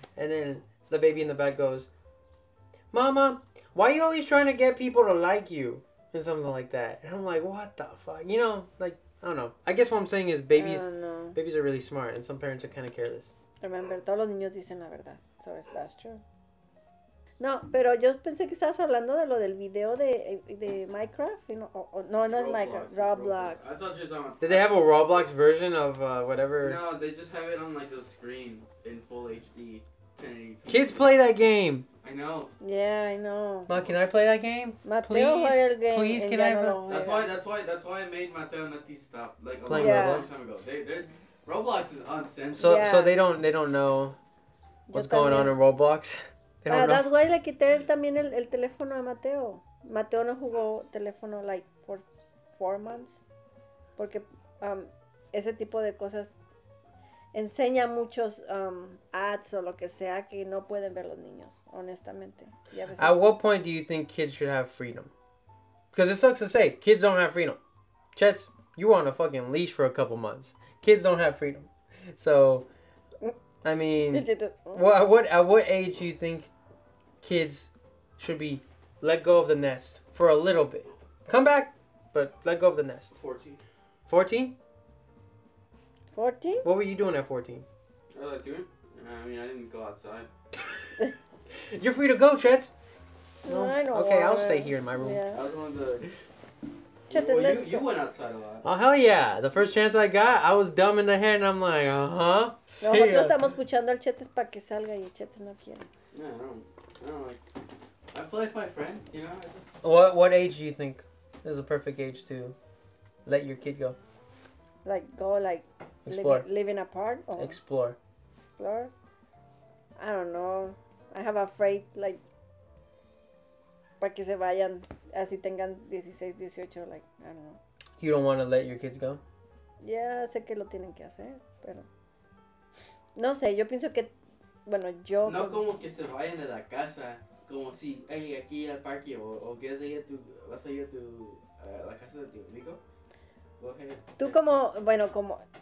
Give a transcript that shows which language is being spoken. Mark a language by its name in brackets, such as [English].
[English] And then the baby in the back goes, Mama, why are you always trying to get people to like you? And something like that. And I'm like, what the fuck? You know, like, I don't know. I guess what I'm saying is babies are really smart and some parents are kind of careless. Remember, [Spanish] todos los niños dicen la verdad. [English] So that's true. [Spanish] No, pero yo pensé que estabas hablando de lo del video de Minecraft. [English] You know, [Spanish] no es Minecraft. Roblox. [English] I thought you were talking about... Did they have a Roblox version of whatever? No, they just have it on like a screen in full HD. 1080p. Kids play that game. I know. Yeah, I know. Ma, can I play that game? Mateo, please, [Spanish] juega el game. [English] Please, can I? No, that's why I made Mateo and Nati stop a long time ago. They're Roblox is uncensored. So yeah. So they don't know what's going on in Roblox. They don't know. That's why [Spanish] le quité también el teléfono a Mateo. Mateo no jugó teléfono [English] like for 4 months, [Spanish] porque ese tipo de cosas. Enseña muchos ads o lo que sea que no pueden ver los niños, honestamente. Y a veces... [English] At what point do you think kids should have freedom? Because it sucks to say, kids don't have freedom. Chets, you were on a fucking leash for a couple months. Kids don't have freedom. So, I mean, at what age do you think kids should be let go of the nest for a little bit? Come back, but let go of the nest. 14. 14? 14? What were you doing at 14? What was I doing? I mean, I didn't go outside. You're free to go, Chet. No, I know. Okay, I'll stay here in my room. Yeah. I was one of the... Chet, well, you went outside a lot. Oh, hell yeah. The first chance I got, I was dumb in the head, and I'm like, uh-huh. See ya. [Spanish] Nosotros estamos escuchando al Chetes para que salga y Chetes no quiere. [English] Yeah, I don't like... I play with my friends, you know? What age do you think is the perfect age to let your kid go? Like, go, like... Explore. Living apart? Or explore. Explore? I don't know. I have afraid, like, [Spanish] para que se vayan, así tengan 16, 18, [English] like, I don't know. You don't want to let your kids go? [Spanish] Yeah, sé que lo tienen que hacer, pero... No sé, yo pienso que... Bueno, yo... No como que se vayan de la casa, como si, hey, aquí al parque, o que es ella tu, vas a ir a tu, la casa de tu amigo. [English] Go ahead. [Spanish] Tú como, bueno, como...